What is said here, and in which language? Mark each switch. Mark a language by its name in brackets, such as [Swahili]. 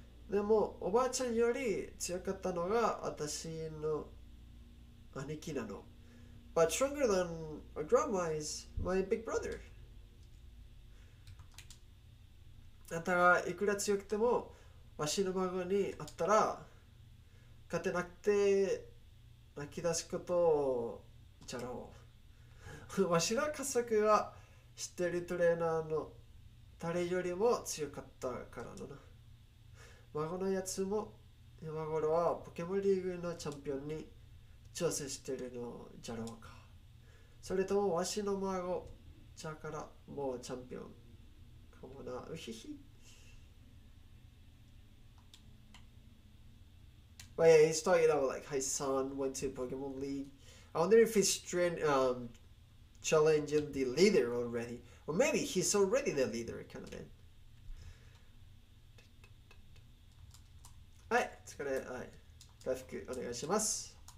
[Japanese] でもおばあちゃんより強かったのが私の兄貴なの。 [English] But stronger than a grandma is my big brother. [Japanese] あんたがいくら強くてもわしの孫に会ったら勝てなくて泣き出すことじゃろう。わしの家族は知ってるトレーナーの誰よりも強かったからのな。孫のやつも今頃はポケモンリーグのチャンピオンに挑戦してるのじゃろうか。それともわしの孫ちゃからもうチャンピオンかもな。うひひ。 [English] But yeah, he's talking about like his son went to Pokemon League. I wonder if he's challenging the leader already. Or maybe he's already the leader kind of thing. [Japanese] はい、疲れ、はい、回復お願いします。